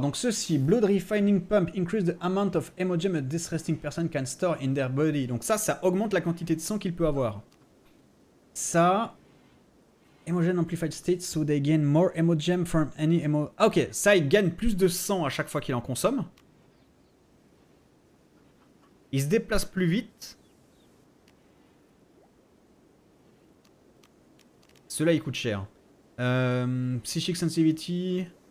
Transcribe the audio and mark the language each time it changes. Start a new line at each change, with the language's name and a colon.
French: Donc ceci,
English: blood refining pump increase the amount of hemogem a distressing person can store in their body.
French: Donc ça, ça augmente la quantité de sang qu'il peut avoir. Ça,
English: hemogen amplified state, so they gain more hemogem from any hemo...
French: Ah, ok, ça, il gagne plus de sang à chaque fois qu'il en consomme. Il se déplace plus vite. Cela, il coûte cher. Psychic sensitivity.